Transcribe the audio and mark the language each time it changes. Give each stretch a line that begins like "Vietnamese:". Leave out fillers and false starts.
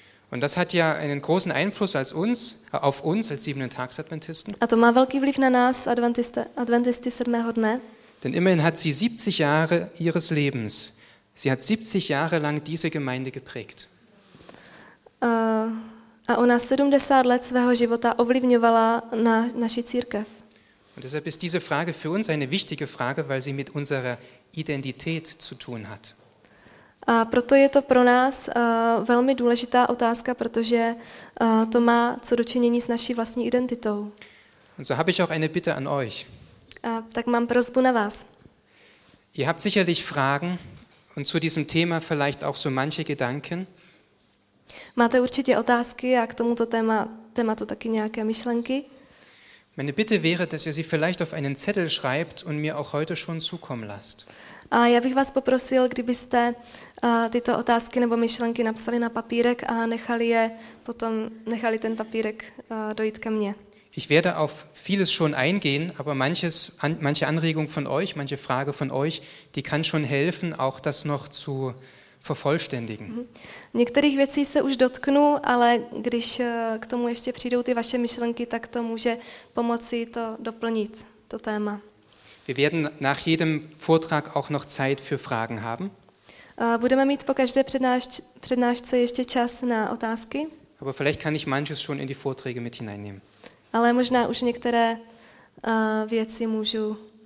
German: Und das hat ja einen großen Einfluss als uns auf uns als Siebenten-Tags-Adventisten.
Czech: A to má velký vliv na nás Adventisty 7. dne.
German: Denn immerhin hat sie 70 Jahre ihres Lebens. Sie hat 70 Jahre lang diese Gemeinde geprägt.
Czech: A ona 70 let svého života ovlivňovala naši církev.
German: Und deshalb ist diese Frage für uns eine wichtige Frage, weil sie mit unserer Identität zu tun hat.
Czech: A proto je to pro nás velmi důležitá otázka, protože to má co dočinění s naší vlastní identitou.
German: Und so habe ich auch eine Bitte an euch.
Czech: A tak mám prosbu na vás.
German: Ihr habt sicherlich Fragen. Und zu diesem Thema vielleicht auch so manche Gedanken.
Czech: Máte určitě otázky a k tomuto tématu taky nějaké myšlenky?
German: Meine Bitte wäre, dass ihr sie vielleicht auf einen Zettel schreibt und mir auch heute schon zukommen lasst.
Czech: A já bych vás poprosil, kdybyste tyto otázky nebo myšlenky napsali na papírek a nechali ten papírek dojít ke mně.
German: Ich werde auf vieles schon eingehen, aber manche Anregung von euch, manche Frage von euch, die kann schon helfen, auch das noch zu vervollständigen.
Czech: Některých věcí se už dotknu, ale když k tomu ještě přijdou ty vaše myšlenky, tak to může pomoci to doplnit, to téma.
German: Wir werden nach jedem Vortrag auch noch Zeit für Fragen haben.
Czech: Budeme mít po každé přednášce ještě čas na otázky.
German: Aber vielleicht kann ich manches schon in die Vorträge mit hineinnehmen.
Czech: Ale možná už některé věci můžu.